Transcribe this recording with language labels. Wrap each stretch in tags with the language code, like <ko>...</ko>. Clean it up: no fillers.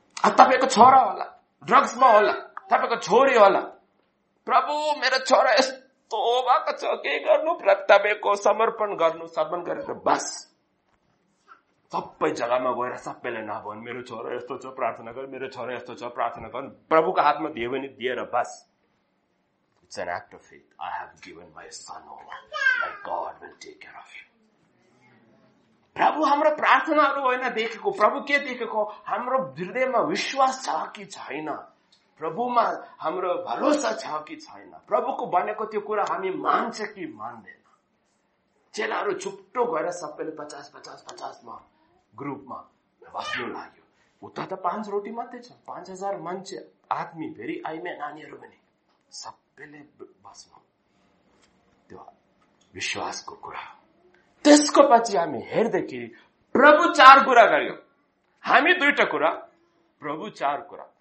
<ne>तपाईँको छोरा होला ड्रग्समा होला, तपाईँको छोरी होला, प्रभु मेरो छोरा यस्तो भएको छ, के गर्नु? तपाईँको समर्पण गर्नु, समर्पण गरेर बस। सबै जग्गामा गएर सबैले नभन, मेरो छोरो यस्तो छ प्रार्थना गर, मेरो छोरो यस्तो छ प्रार्थना गर, प्रभुको हातमा दियो भने दिएर बस।</ne> <en>It's an act of faith, I have given my son over, my God will take care of you.</en> <ne>प्रभु हाम्रो प्रार्थनाहरू होइन देखेको, प्रभु के देखेको? हाम्रो हृदयमा विश्वास छ कि छैन, प्रभुमा हाम्रो भरोसा छ कि छैन, प्रभुको भनेको त्यो कुरा हामी मान्छ कि मान्दैन। चेलाहरू छुट्टो गएर सबैले 50-50-50 ग्रुपमा बस्नु लाग्यो। उता त 5 रोटी मात्रै छ, 5,000 मान्छे आदमी भेरी आइमे नानीहरू पनि सबैले बस्नु, त्यो विश्वासको कुरा। त्यसको पछि हामी हेर्दाखेरि प्रभु 4 कुरा गर्यो, हामी दुईटा कुरा, प्रभु चार कुरा।</ne>